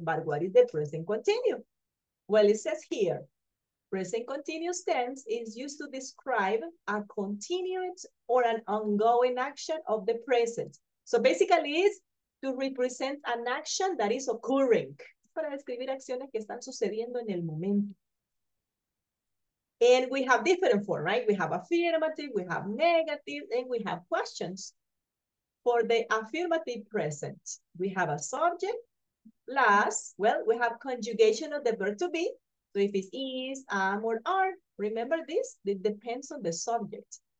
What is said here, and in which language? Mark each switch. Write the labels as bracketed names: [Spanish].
[English] But what is the present continuous? Well, it says here, present continuous tense is used to describe a continuous or an ongoing action of the present. So basically it's to represent an action that is occurring. [Spanish] Para describir acciones que están sucediendo en el momento. [English] And we have different form, right? We have affirmative, we have negative, and we have questions. For the affirmative present, we have a subject, plus, well, we have conjugation of the verb to be. So if it's is, am, or are, remember this, it depends on the subject.